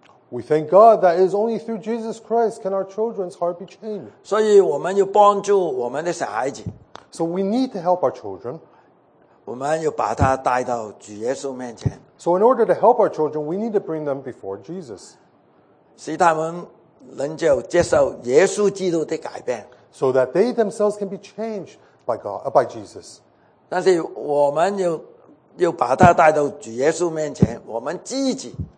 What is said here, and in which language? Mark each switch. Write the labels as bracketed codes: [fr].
[en] we thank God that it is only through Jesus Christ can our children's heart be changed. [zh] 所以我们要帮助我们的小孩子, [en] so we need to help our children. [zh] 我们要把他带到主耶稣面前, [en] so in order to help our children, we need to bring them before Jesus. [zh] 使他们能够接受耶稣基督的改变, [en] so that they themselves can be changed by God, by Jesus. [zh] 但是我们要把他带到主耶稣面前, 我们自己,